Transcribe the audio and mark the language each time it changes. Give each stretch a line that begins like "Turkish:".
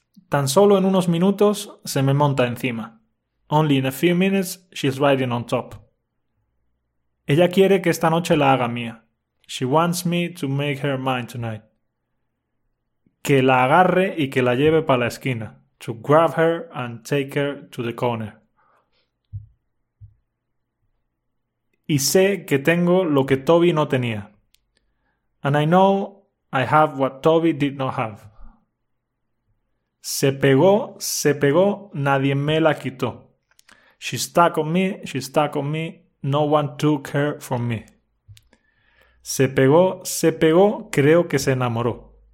Spanish: Tan solo en unos minutos se me monta encima.
English: Only in a few minutes she's riding on top.
Spanish: Ella quiere que esta noche la haga mía.
English: She wants me to make her mine tonight.
Spanish: Que la agarre y que la lleve para la esquina.
English: To grab her and take her to the corner.
Spanish: Y sé que tengo lo que Toby no tenía.
English: And I know I have what Toby did not have.
Spanish: Se pegó, nadie me la quitó.
English: She stuck on me, no one took her from me.
Spanish: Se pegó, creo que se enamoró.